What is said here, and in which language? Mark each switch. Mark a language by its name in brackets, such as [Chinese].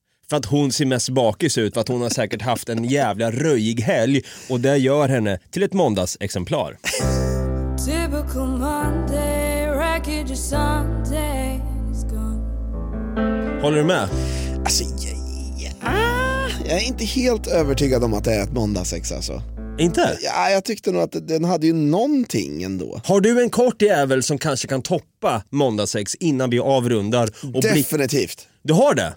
[Swedish] För att hon ser mest bakis ut, för att hon har säkert haft en jävla röjig helg. Och det gör henne till ett måndagsexemplar. [English] Typical Monday, wreckage of Sunday is gone. [Swedish] Håller du med? Alltså, jag är inte helt övertygad om att det är ett måndagsex alltså. Inte? Jag tyckte nog att den hade ju någonting ändå. Har du en kort jävel som kanske kan toppa måndagsex innan vi avrundar? Och definitivt. Du har det?